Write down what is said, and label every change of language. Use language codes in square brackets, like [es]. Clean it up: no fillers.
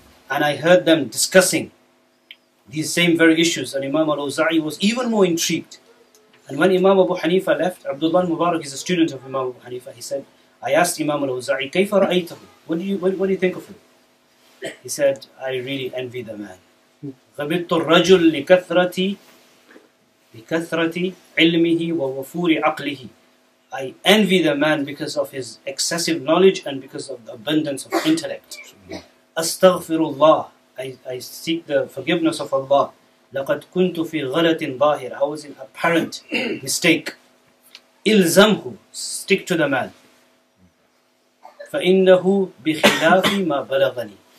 [en] And I heard them discussing these same very issues. And Imam al-Uza'i was even more intrigued. And when Imam Abu Hanifa left, Abdullah al-Mubarak is a student of Imam Abu Hanifa, he said, I asked Imam al-Uza'i, [ar] كيف رأيته? [en] What do you think of him? He said, I really envy the man. [ar] غبطت الرجل لكثرتي علمه ووفور عقله. [en] I envy the man because of his excessive knowledge and because of the abundance of intellect. [ar] أستغفر الله. [en] I seek the forgiveness of Allah. [ar] لقد كنت في غلط ظاهر. [en] I was in apparent mistake. [ar] إلزمه. [en] Stick to the man. [ar] فَإِنَّهُ بِخِلَافِ مَا بَلَغَنِي.